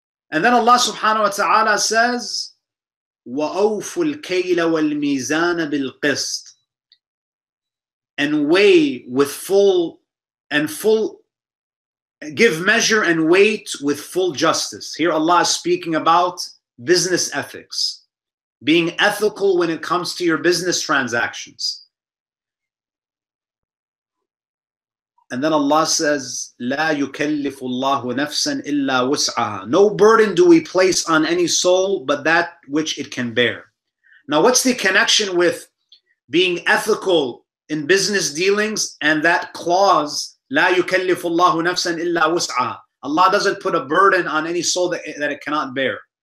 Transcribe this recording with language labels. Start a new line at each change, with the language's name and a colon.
English: And then Allah subhanahu wa ta'ala says,
Arabic: وَأَوْفُ الْكَيْلَ وَالْمِيزَانَ بِالْقِسْطِ,
English: and weigh with full and full, give measure and weight with full justice. Here Allah is speaking about business ethics, being ethical when it comes to your business transactions. And then Allah says,
Arabic: لا يكلف الله نفسا إلا وسعها.
English: No burden do we place on any soul but that which it can bear. Now, what's the connection with being ethical in business dealings and that clause,
Arabic: لا يكلف الله نفسا إلا وسعها?
English: Allah doesn't put a burden on any soul that it cannot bear.